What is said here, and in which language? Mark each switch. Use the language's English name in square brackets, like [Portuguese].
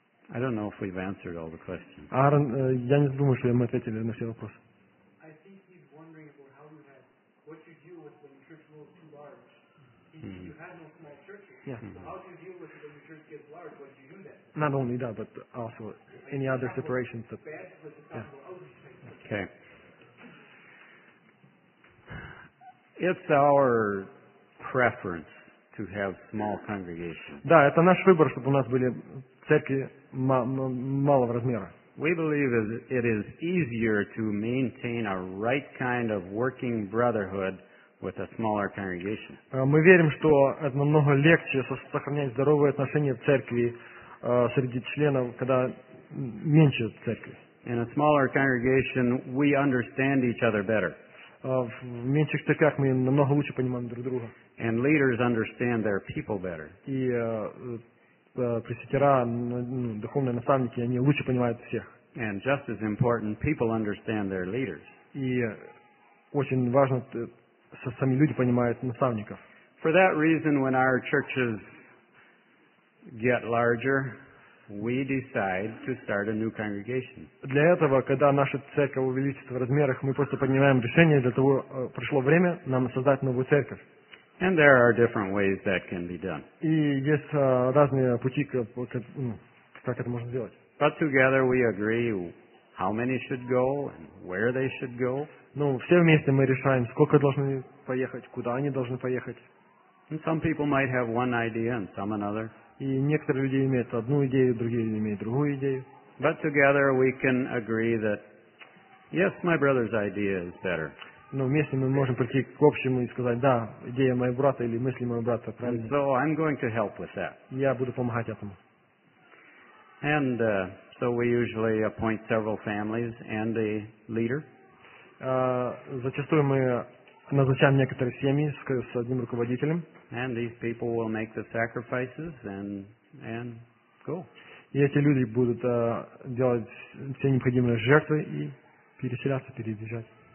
[English] I don't know if we've answered all the questions. [Russian] Аарон, я не думаю, что мы ответили на все вопросы. [English] Not only that, but also any other separations. That, yeah. Okay. It's our preference to have small congregations. [Russian] Да, это наш выбор, чтобы у нас были церкви малого размера. [English] We believe it is easier to maintain a right kind of working brotherhood with a smaller congregation. [Russian] Мы верим, что это намного легче сохранять здоровые отношения в церкви среди членов, когда меньше церкви. [English] In a smaller congregation, we understand each other better. [Russian] В меньших церквях мы намного лучше понимаем друг друга. [English] And leaders understand their people better. [Russian] И пресвитера, духовные наставники, они лучше понимают всех. [English] And just as important, people understand their leaders. [Russian] И очень важно, сами люди понимают наставников. [English] For that reason, when our churches get larger, we decide to start a new congregation. [Russian] Для этого, когда наша церковь увеличится в размерах, мы просто принимаем решение, для того пришло время нам создать новую церковь. [English] And there are different ways that can be done. [Russian] И есть разные пути, как это можно сделать. [English] But together we agree how many should go and where they should go. [Russian] Ну, все вместе мы решаем, сколько должны поехать, куда они должны поехать. [English] And some people might have one idea and some another. [Russian] И некоторые люди имеют одну идею, другие имеют другую идею. [English] But together we can agree that, yes, my brother's idea is better. [Russian] Но вместе мы можем прийти к общему и сказать, да, идея моего брата или мысли моего брата правильные. [English] So I'm going to help with that. [Russian] Я буду помогать этому. [English] And so we usually appoint several families and a leader. [Russian] Зачастую мы назначаем некоторые семьи с одним руководителем. [English] And these people will make the sacrifices and go. [Russian] И эти люди будут делать все необходимые жертвы и переселяться, переезжать.